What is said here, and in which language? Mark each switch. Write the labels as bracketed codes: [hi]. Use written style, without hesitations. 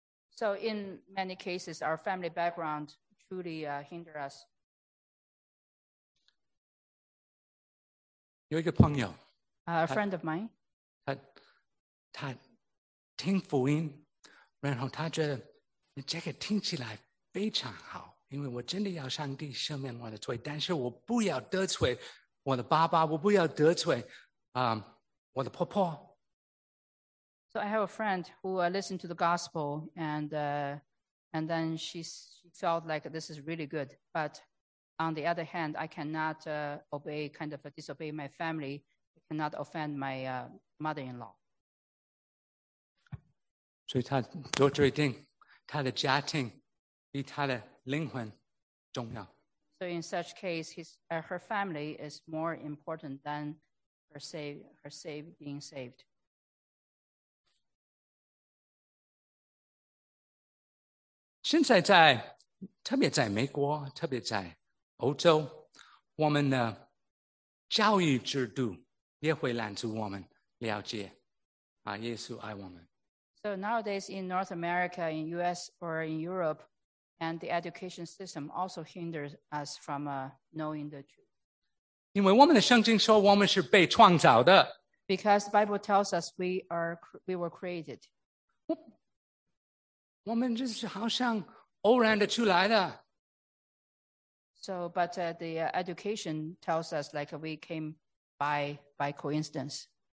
[en] So in many cases, our family background truly hinder us. [zh] 有一个朋友 [en] a friend of mine, [zh] 他听福音，然后他觉得这个听起来非常好，因为我真的要上帝赦免我的罪，但是我不要得罪我的爸爸，我不要得罪我的婆婆。 [en] So I have a friend who listened to the gospel and then she felt like this is really good, but. On the other hand, I cannot disobey my family. I cannot offend my mother-in-law. [zh] 所以他做决定，他的家庭比他的灵魂重要。 [en] So in such case, her family is more important than her her saved being saved. So nowadays in North America, in US or in Europe, and the education system also hinders us from knowing the truth. [zh] 因为我们的圣经说我们是被创造的, [en] because the Bible tells us we were created. [zh] 我们就是好像偶然的出来的。 [en] So, but the education tells us like we came by coincidence.